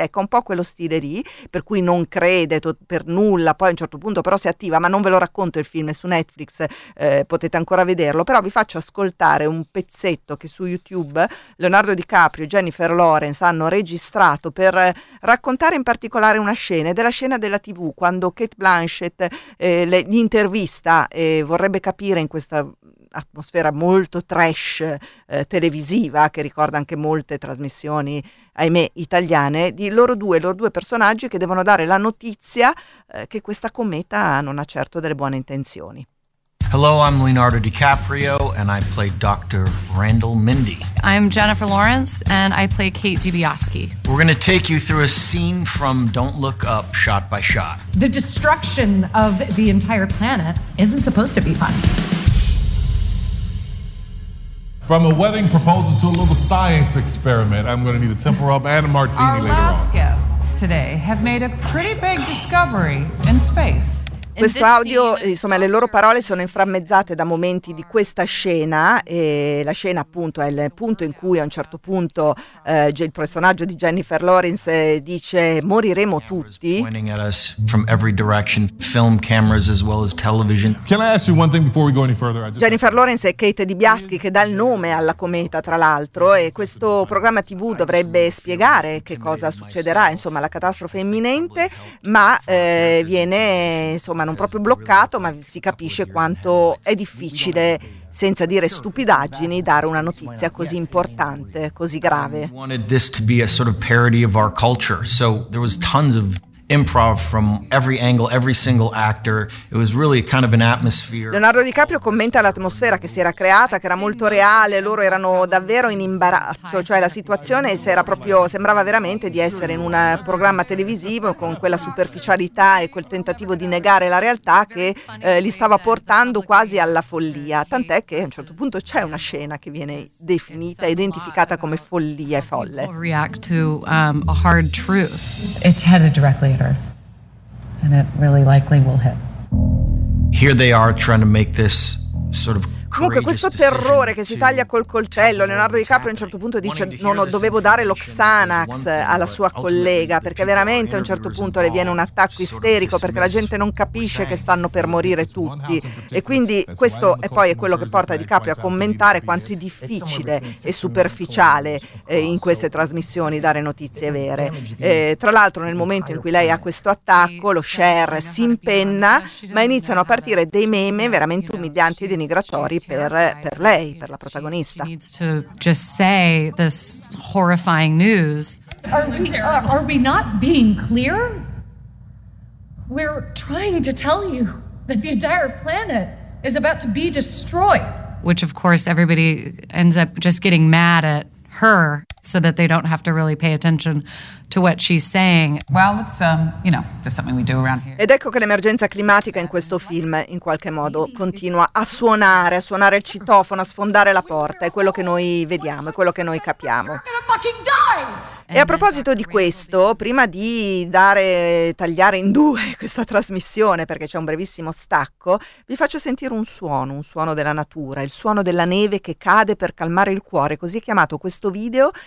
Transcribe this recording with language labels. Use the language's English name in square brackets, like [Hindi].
[Italian] Ecco, un po' quello stile lì, per cui non crede per nulla, poi a un certo punto però si attiva, ma non ve lo racconto, il film è su Netflix, potete ancora vederlo, però vi faccio ascoltare un pezzetto che su YouTube Leonardo DiCaprio e Jennifer Lawrence hanno registrato per raccontare in particolare una scena, della scena della TV, quando Cate Blanchett gli intervista e vorrebbe capire, in questa atmosfera molto trash televisiva che ricorda anche molte trasmissioni, ahimè, italiane, di loro due personaggi che devono dare la notizia che questa cometa non ha certo delle buone intenzioni. [English] Hello, I'm Leonardo DiCaprio and I play Dr. Randall Mindy. I'm Jennifer Lawrence and I play Kate DiBiase. We're going to take you through a scene from Don't Look Up, shot by shot. The destruction of the entire planet isn't supposed to be fun. From a wedding proposal to a little science experiment, I'm going to need a temper up and a martini later on. Our last guests today have made a pretty big discovery in space. [Italian] Questo audio, insomma, le loro parole sono inframmezzate da momenti di questa scena, e la scena appunto è il punto in cui a un certo punto il personaggio di Jennifer Lawrence dice: moriremo tutti. [English] Pointing at us from every direction, film cameras as well as television. Can I ask you one thing before we go any further? [Italian] Jennifer Lawrence e Kate DiBiase, che dà il nome alla cometa, tra l'altro, e questo programma TV dovrebbe spiegare che cosa succederà, insomma, la catastrofe imminente, ma viene, insomma, ma non proprio bloccato, ma si capisce quanto è difficile, senza dire stupidaggini, dare una notizia così importante, così grave. [English] We wanted this to be a sort of parody of our culture, so there was tons of improv from every angle, every single actor. It was really kind of an atmosphere. [Italian] Leonardo DiCaprio commenta l'atmosfera che si era creata, che era molto reale, loro erano davvero in imbarazzo, cioè la situazione si era proprio, sembrava veramente di essere in un programma televisivo, con quella superficialità e quel tentativo di negare la realtà che li stava portando quasi alla follia, tant'è che a un certo punto c'è una scena che viene definita, identificata come follia e folle. [English] React to a hard truth. It's headed directly. And it really likely will hit. Here they are trying to make this sort of. [Italian] Comunque questo terrore che si taglia col coltello, Leonardo DiCaprio a un certo punto dice non dovevo dare lo Xanax alla sua collega, perché veramente a un certo punto le viene un attacco isterico, perché la gente non capisce che stanno per morire tutti, e quindi questo è poi quello che porta DiCaprio a commentare quanto è difficile e superficiale in queste trasmissioni dare notizie vere. Tra l'altro, nel momento in cui lei ha questo attacco, lo share si impenna, ma iniziano a partire dei meme veramente umilianti e denigratori per lei, per la protagonista. [English] She needs to just say this horrifying news. Are we not being clear? We're trying to tell you that the entire planet is about to be destroyed. Which of course everybody ends up just getting mad at her so that they don't have to really pay attention to what she's saying. Well, it's you know, just something we do around here. [Italian] Ed ecco che l'emergenza climatica in questo film in qualche modo continua a suonare il citofono, a sfondare la porta, è quello che noi vediamo, è quello che noi capiamo. E a proposito di questo, prima di tagliare in due questa trasmissione, perché c'è un brevissimo stacco, vi faccio sentire un suono della natura, il suono della neve che cade per calmare il cuore, così chiamato questo video.